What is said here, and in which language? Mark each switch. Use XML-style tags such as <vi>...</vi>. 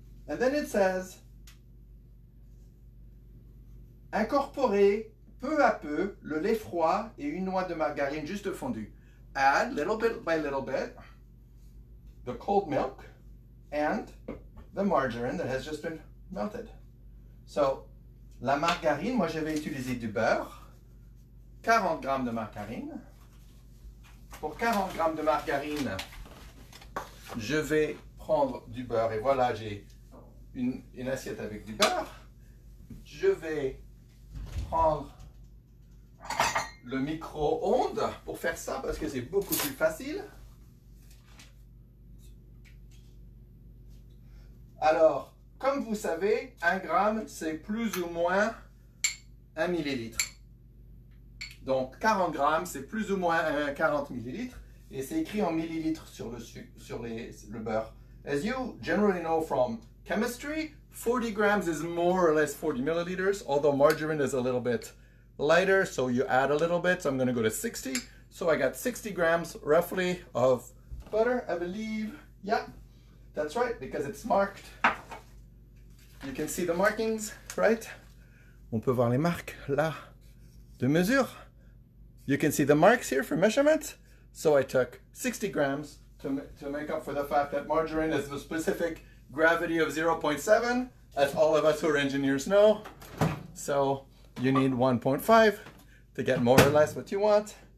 <en>And then it says,</en> <fr>incorporer peu à peu le lait froid et une noix de margarine juste fondue.</fr> <en>Add little bit by little bit the cold milk and the margarine that has just been melted.</en> <fr>So, la margarine, moi j'avais utilisé du beurre, 40 grammes de margarine. Pour 40 grammes de margarine, je vais prendre du beurre et voilà, j'ai une assiette avec du beurre. Je vais prendre le micro-ondes pour faire ça parce que c'est beaucoup plus facile. Alors, comme vous savez, un gramme, c'est plus ou moins un millilitre. Donc, 40 grammes, c'est plus ou moins 40 millilitres. Et c'est écrit en millilitres sur le beurre.</fr> <en>As you generally know from chemistry, 40 grams is more or less 40 milliliters, although margarine is a little bit lighter, so you add a little bit. So I'm going to go to 60. So I got 60 grams, roughly, of butter, I believe. Yeah, that's right, because it's marked. You can see the markings, right?</en> <fr>On peut voir les marques, là, de mesure.</fr> <en>You can see the marks here for measurements. So I took 60 grams to make up for the fact that margarine is the specific gravity of 0.7, as all of us who are engineers know. So you need 1.5 to get more or less what you want.</en>